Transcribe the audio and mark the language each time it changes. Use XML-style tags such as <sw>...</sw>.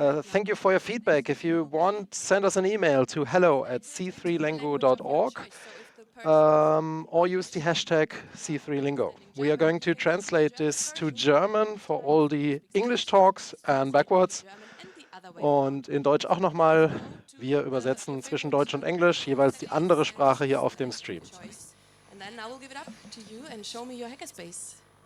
<en>Thank you for your feedback. If you want, send us an email to hello@c3lingo.org. Or use the hashtag C3Lingo. We are going to translate this to German for all the English talks and backwards.</en> <de>Und in Deutsch auch nochmal. Wir übersetzen zwischen Deutsch und Englisch jeweils die andere Sprache hier auf dem Stream.</de> <en>And then I will give it up to you and show me your hackerspace.</en>